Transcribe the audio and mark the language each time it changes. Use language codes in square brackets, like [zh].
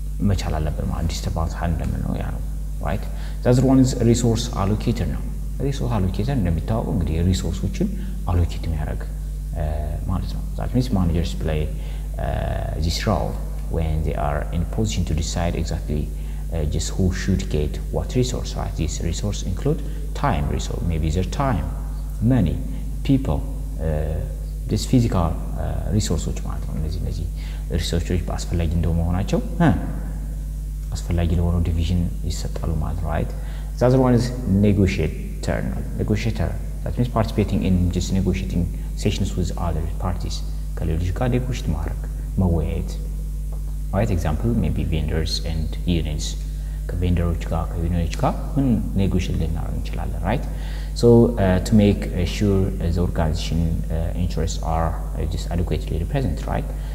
[am] መቻል አለብን ማለት disturbance handler ነው ያ ነው [en] right that's the one is resource allocator now resource allocator [am] እንደምታውቁ እንግዲህ resourceዎችን allocate የሚያደርግ ማለት ነው [en] that means managers play this role when they are in position to decide exactly just who should get what resource, right? These resources include time resource, maybe their time, money, people, just physical resources. [am] ማለት ነው እነዚህ resources አስፈላጊ እንደሆነ ሆናቸው አስፈላጊ ለሆነ division ይሰጣሉ ማለት ነው, right? [en] The other one is negotiator. Negotiator, that means participating in just negotiating sessions with other parties. [am] ከሌሎች ጋር negotiate ማድረግ, መወያየት. [en] Right, example, maybe vendors and unions. [am] ከቬንደሮች ጋር ከዩኒዮኖች ጋር ምን negotiate ልናደርግ እንችላለን, right? [en] So to make sure the organization interests are just adequately represented, right?